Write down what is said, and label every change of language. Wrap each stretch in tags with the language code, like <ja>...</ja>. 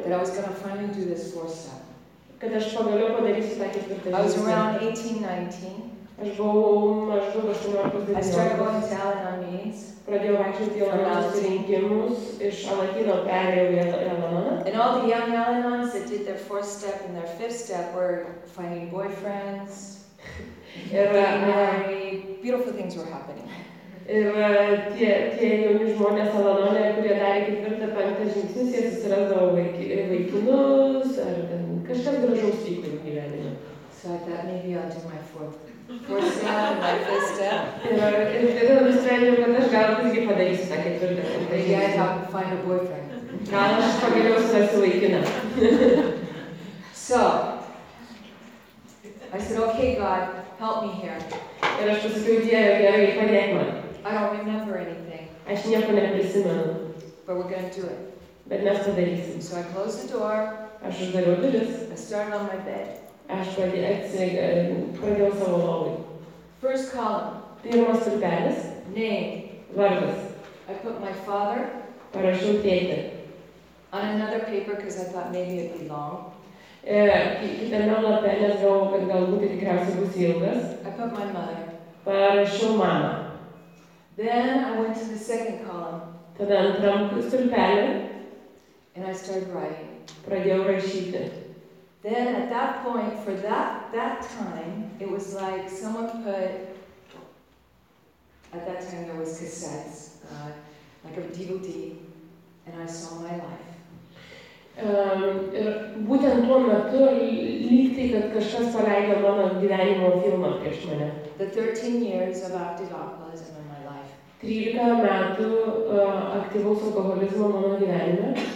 <en>That I was gonna finally do this fourth step.</en> <lt>Kad aš pagaliau padarysiu tą ketvirtą žingsnį.</lt> <en>I was around 18-19.</en> <lt>Aš buvau maždaug 18-19.</lt> <en>I started going to Al-Anon meetings.</en> <lt>Pradėjau vaikščioti į Al-Anon susirinkimus. Iš Al-Anon perėjau į Al-Anon.</lt> <en>And all the young Al-Anons that did their fourth step and their fifth step were finding boyfriends. Beautiful things were happening.</en> <lt>Ir tie jauni žmonės Al-Anone, kurie darė ketvirtą, penktą žingsnius, jie susirasdavo vaikinus, ar kažkas gražaus vyko jų gyvenime.</lt> <en>So I thought maybe I'll do my fourth step, my fifth step.</en> <lt>Ir tada nusprendžiau, kad aš gal visgi padarysiu tą ketvirtą, penktą žingsnius.</lt> <en>Maybe I thought find a boyfriend.</en> <lt>Gal aš pagaliau susirasiu vaikiną.</lt> <en>So, I said, okay, God, help me here.</en> <lt>Ir aš pasakiau, Dieve, gerai, padėk man.</lt> <en>I don't remember anything.</en> <lt>Aš nieko neprisimenu.</lt> <en>But we're going to do it.</en> <lt>Bet mes padarysim.</lt> <en>So I closed the door.</en> <lt>Aš uždariau duris.</lt> <en>I started on my bed.</en> <lt>Aš pradėjau savo lovį.</lt> <en>First column.</en> <lt>Pirmas stulpelis.</lt> <en>Name.</en> <lt>Vardas.</lt> <en>I put my father.</en> <lt>Parašiau tėtį.</lt> <en>On another paper, because I thought maybe it'd be long.</en> <lt>Kitame lape, nes galvojau, kad galbūt tikriausiai bus ilgas.</lt> <en>I put my mother.</en> <lt>Parašiau mamą.</lt> <en>Then I went to the second column.</en> <lt>Tada antram stulpelį.</lt> <en>And I started writing.</en> <lt>Pradėjau rašyti.</lt> <en>Then at that point, for that time, it was like someone put, at that time there was cassettes, like a DVD, and I saw my life.</en> <lt>Ir būtent tuo metu lyg tai, kad kažkas paleido mano gyvenimo filmą prieš mane.</lt> <en>The 13 years of active alcoholism in my life.</en> <lt>13 metų aktyvaus alkoholizmo mano gyvenime.</lt>